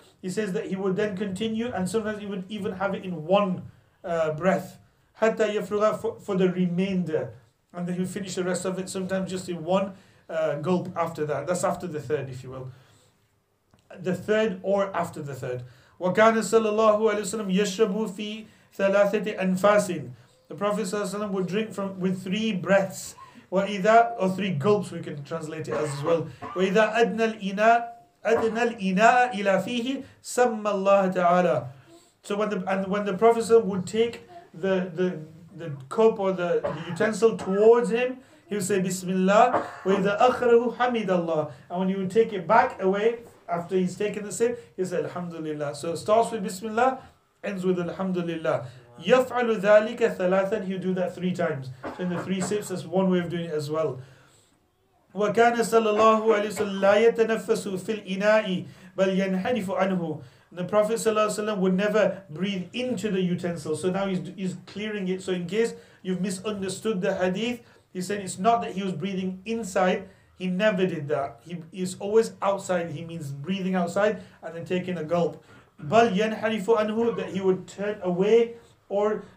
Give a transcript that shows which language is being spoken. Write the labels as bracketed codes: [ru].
[en] He says that he would then continue, and sometimes he would even have it in one breath. [ar] حَتَّى يَفْرُغَ [en] for the remainder. And then he would finish the rest of it, sometimes just in one gulp after that. That's after the third, if you will. The third or after the third. [ar] وَكَانَ صَلَى اللَّهُ عَلَيْهِ وَسَلَّمْ يَشْرَبُ فِي ثَلَاثَةِ أَنْفَاسٍ [en] The Prophet ﷺ would drink with three breaths. وَإِذَا Or three gulps, we can translate it as well. [ar] وَإِذَا أَدْنَى الْإِنَاءَ إِلَى فِيهِ سَمَّ اللَّهَ تَعَالَى [en] So when the Prophet ﷺ would take the cup or the utensil towards him, he would say, Bismillah. [ar] وَإِذَا أَخْرَهُ حَمِدَ اللَّهُ [en] And when he would take it back away, after he's taken the sip, he says Alhamdulillah. So it starts with Bismillah, ends with Alhamdulillah. [ar] يَفْعَلُ ذَلِكَ ثَلَاثًا [en] He'll do that three times. So in the three sips, that's one way of doing it as well. [ar] وَكَانَ صَلَى اللَّهُ عَلَيْهِ وَسَلَّمْ لَا يَتَنَفَّسُ فِي الْإِنَاءِ بَلْ يَنْحَنِفُ عَنْهُ [en] And the Prophet ﷺ would never breathe into the utensil. So now he's clearing it. So in case you've misunderstood the hadith, he said it's not that he was breathing inside. He never did that. He is always outside. He means breathing outside and then taking a gulp. [ar] بَلْ يَنْحَنِفُ عَنْهُ [en] That he would turn away or...